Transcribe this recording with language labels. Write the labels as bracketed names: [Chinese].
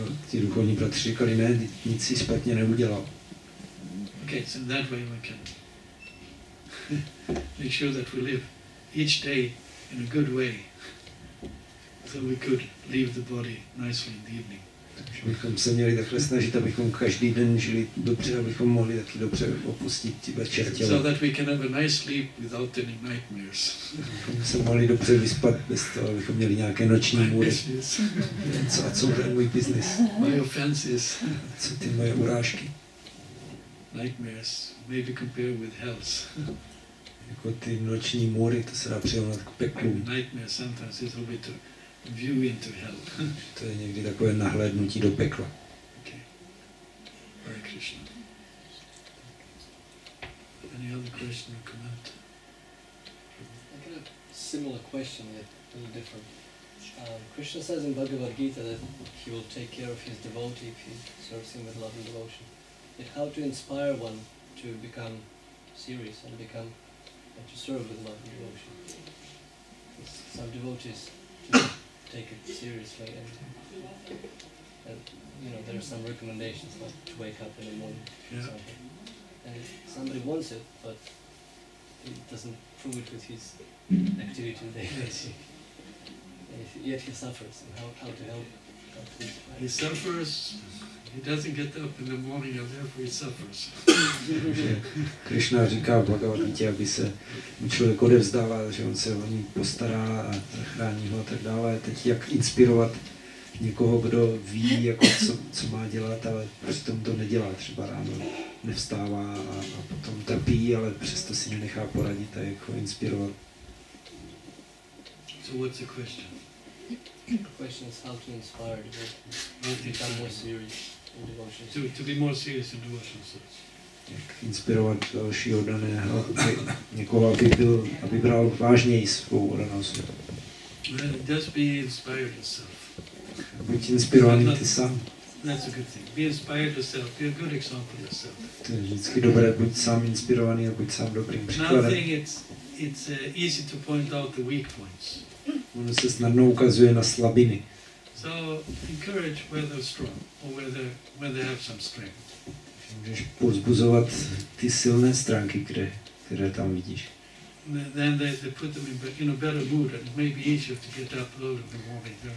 [Czech] Ti duchovní bratři říkali, ne, nic si špatně neudělal. [English] Okay, so that way we can make sure that we live each day in a good way, so we could leave the body nicely in the evening. [Czech] Takže bychom se měli takhle snažit, abychom každý den žili dobře, abychom mohli taky dobře opustit večer tělo. [English] So that we can have a nice sleep without any nightmares. [Czech] Abychom se mohli dobře vyspat bez toho, abychom měli nějaké noční můry. Co a co ten můj biznis? [English] My offenses. [Czech] Co ty moje urážky? [English] Nightmares, maybe compared with hells. [Czech] Jako ty noční můry, to se dá přirovnat k peklu. [English] Nightmares sometimes is a bit too. View into hell. [Czech] To je někdy takové nahlédnutí do pekla. [English] Okay. Hare Krishna. Any other question or comment? I got a similar question, yet a little different. Krishna says in Bhagavad Gita that he will take care of his devotee if he serves him with love and devotion. Yet how to inspire one to become serious and become and to serve with love and devotion? Some devotees take it seriously, and you know, there are some recommendations, like to wake up in the morning, yeah. And somebody wants it, but he doesn't prove it with his activity in the day, yet he suffers, and how to help him? He suffers, he doesn't get up in the morning, and therefore he suffers. [Czech] Krishna říká v Bhagavad Gita, aby se člověk odevzdává, že on se o ní postará a zachrání ho a tak dále. Teď jak inspirovat někoho, kdo ví, jako co má dělat, ale přitom to nedělá, třeba ráno nevstává a potom trpí, ale přesto si nenechá poradit a jak ho inspirovat. [English] So what's the question? The question is how to inspire devotees to become more serious in devotion. To be more serious in devotion, so. [Czech] Jak inspirovat dalšího daného, někoho, aby bral vážněji svou danou světu. [English] Well, just be inspired yourself. [Czech] Buď inspirovaný ty sám. [English] That's a good thing. Be inspired yourself. Be a good example yourself. [Czech] To je vždycky dobré, buď sám inspirovaný a buď sám dobrým příkladem. [English] Now I think it's easy to point out the weak points. [Czech] Ono se snadno ukazuje na slabiny. [English] So encourage where they're strong or where they have some strength. [Czech] Můžeš povzbuzovat ty silné stránky, které tam vidíš. [English] Then they put them in a better mood and maybe easier to get up early in the morning.